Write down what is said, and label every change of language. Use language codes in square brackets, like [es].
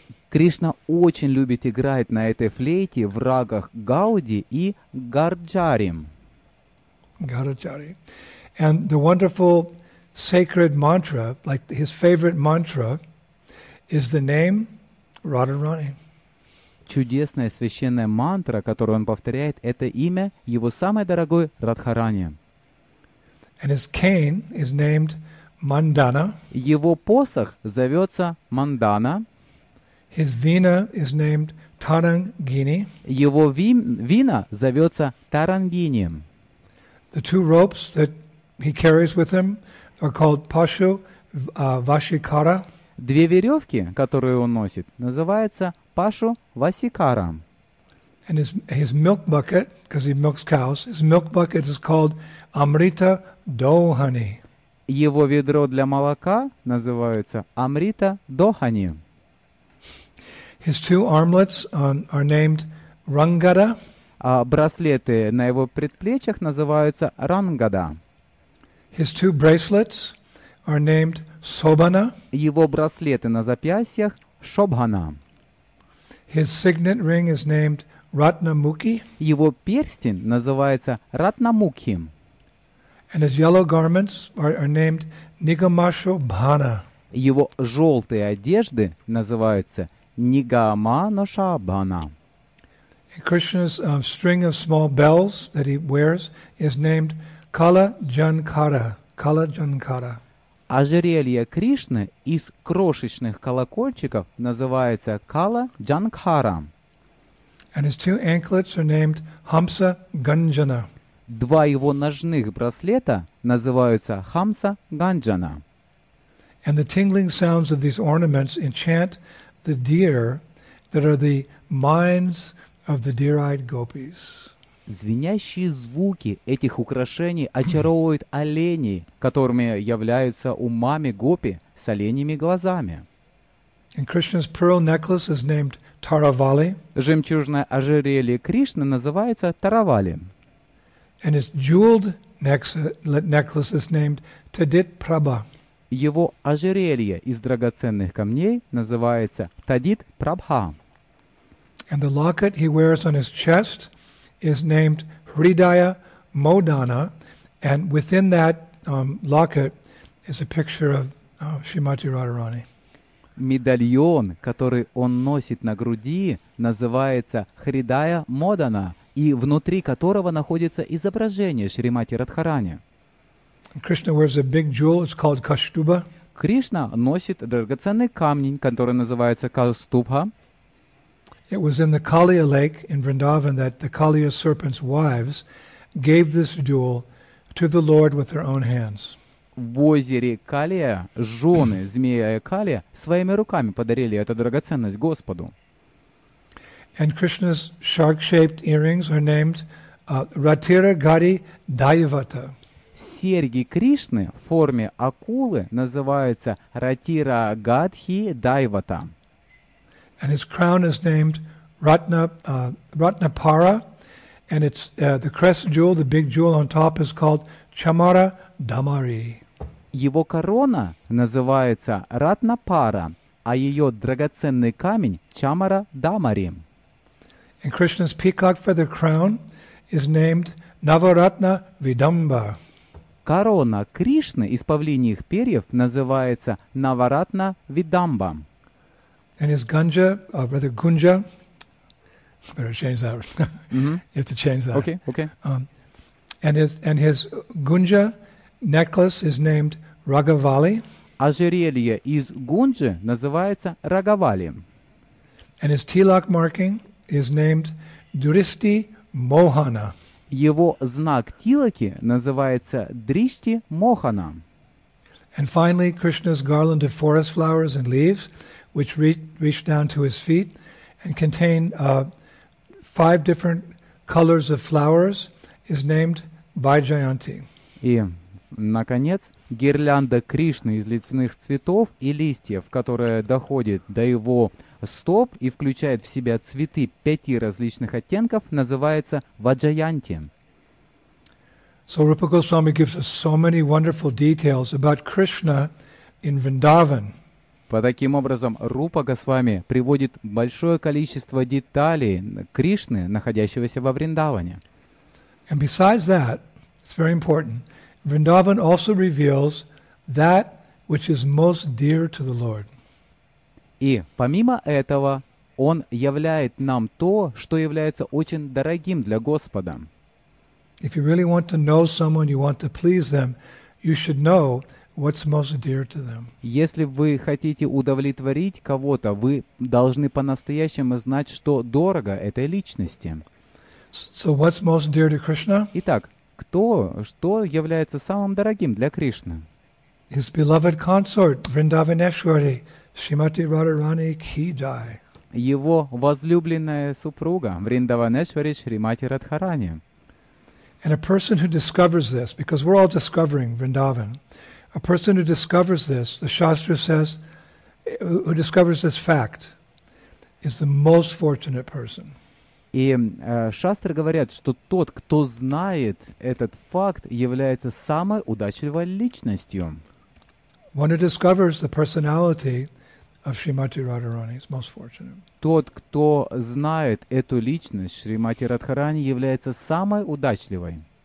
[ru] Кришна очень любит играть на этой флейте в рагах Гауди и Гарджари. Гарджари. [en] And the wonderful sacred mantra, like his favorite mantra, is the name Radharani. [ru] Чудесная священная мантра, которую он повторяет, это имя его самой дорогой Радхарани. [en] And his cane is named Mandana. [ru] Его посох зовется Мандана. [en] His vina is named Tarangini. [ru] Его вина зовется Тарангини. [en] The two ropes that he carries with him are called Pashu Vashikara. [ru] Две веревки, которые он носит, называются Пашу Васикара. [en] And his milk bucket, because he milks cows, his milk bucket is called Amrita Dohani. [ru] Его ведро для молока называется Amrita Dohani. [en] His two armlets are named Rangada. [ru] Браслеты на его предплечьях называются Рангада. [en] His two bracelets are named Sobhana. [ru] Его браслеты на запястьях Шобхана. [en] His signet ring is named Ratnamukhi. [ru] Его перстень называется Ратнамукхи. [en] And his yellow garments are named Nigamashobhana. [ru] Его желтые одежды называются Нигаманошабана. [en] Krishna's string of small bells that he wears is named Kala Jankara. Kala Jankara. [ru] Ожерелье Кришны из крошечных колокольчиков называется Kala Jankara. [en] And his two anklets are named Hamsa Ganjana. [ru] Два его ножных браслета называются Хамса Ганджана. [en] And the tingling sounds of these ornaments enchant the deer that are the minds of the deer-eyed gopis. [ru] Звенящие звуки этих украшений очаровывают оленей, которыми являются умами гопи с оленями глазами. [en] And Krishna's pearl necklace is named Taravali. [ru] Жемчужное ожерелье Кришны называется Таравали. [en] And his jeweled necklace is named Tadit Prabha. [ru] Его ожерелье из драгоценных камней называется Тадит Прабха. [en] And the locket he wears on his chest is named Hridaya Modana, and within that locket is a picture of Shrimati Radharani. [ru] Медальон, который он носит на груди, называется Хридая Модана, и внутри которого находится изображение Шримати Радхарани. [en] Krishna wears a big jewel, it's called Kastuba. [ru] Кришна носит драгоценный камень, который называется Кастубха. [en] It was in the Kaliya lake in Vrindavan that the Kaliya serpent's wives gave this jewel to the Lord with their own hands. [ru] в озере Калия, жены змея Калия, своими руками подарили эту драгоценность Господу. [en] And Krishna's shark-shaped earrings are named Ratira Gari Daivata. [ru] Серьги Кришны в форме акулы называются Ratira Gadhi Daivata. [en] And his crown is named Ratnapara, and it's the crest jewel, the big jewel on top is called Chamara Damari. [ru] Его корона называется Ратнапара, а ее драгоценный камень Чамара Дамари. [en] And Krishna's peacock feather crown is named Navaratna Vidamba. [ru] Корона Кришны из павлиньих перьев называется Наваратна Видамба. [en] And his ganja, or rather gunja, better change that. You have to change that. Okay, okay. And his gunja necklace is named Raghavali. [ru] Ожерелье из гунджи называется Раговали. [en] And his tilak marking is named Drishti Mohana. [ru] Его знак тилаки называется Дришти Мохана. [en] And finally, Krishna's garland of forest flowers and leaves, which reach down to his feet, and contain five different colors of flowers, is named Vaijayanti. [ru] И, наконец, гирлянда Кришны из лиственных цветов и листьев, которая доходит до его стоп и включает в себя цветы пяти различных оттенков, называется Vaijayanti. [en] So Rupa Goswami gives us so many wonderful details about Krishna in Vrindavan. [ru] По таким образом, Рупа Госвами приводит большое количество деталей Кришны, находящегося во Вриндаване. [en] And besides that, it's very important, Vrindavan also reveals that which is most dear to the Lord. [ru] И помимо этого, он являет нам то, что является очень дорогим для Господа. [en] If you really want to know someone, you want to please them, you should know what's most dear to them. [ru] Если вы хотите удовлетворить кого-то, вы должны по-настоящему знать, что дорого этой личности. [en] So what's most dear to Krishna? [ru] Итак, кто, что является самым дорогим для Кришны? [en] His beloved consort, Vrindavaneshwari, Shrimati Radharani [hi] Ki Jai. [ru] Его возлюбленная супруга, Вриндаванешвари Шримати Радхарани. [en] And a person who discovers this, because we're all discovering Vrindavan, a person who discovers this, the Shastra says, who discovers this fact, is the most fortunate person. [ru] И Шастры говорят, что тот, кто знает этот факт, является самой удачливой личностью. [en] One who discovers the personality of Shrimati Radharani is most fortunate. [ru] Тот, кто знает эту личность, Шримати Радхарани, является самой удачливой.